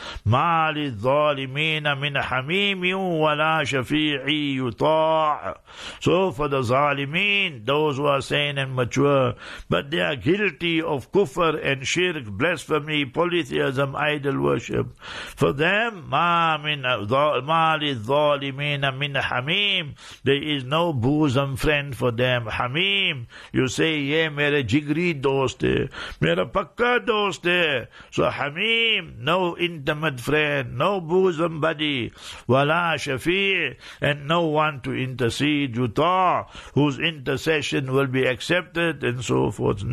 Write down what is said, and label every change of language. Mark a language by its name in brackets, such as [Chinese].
[Arabic] مَالِ الظَّالِمِينَ مِنْ حَمِيمٍ وَلَا شَفِيعٍ يُطَاعُ. [English] So for the zalimeen, those who are sane and mature, but they are guilty of kufr and shirk, blasphemy, polytheism, idol worship. For them, [Arabic] مَالِ الظَّالِمِينَ مِنْ حَمِيمٍ. [English] There is no bosom friend for them. Hamim, you say, yeah, [Urdu] mere jigri dost hai, [English] mere pakka dost hai. So Hamim, no intimate friend, no bosom buddy, wala shafi', and no one to intercede, yuta, whose intercession will be accepted, and so forth.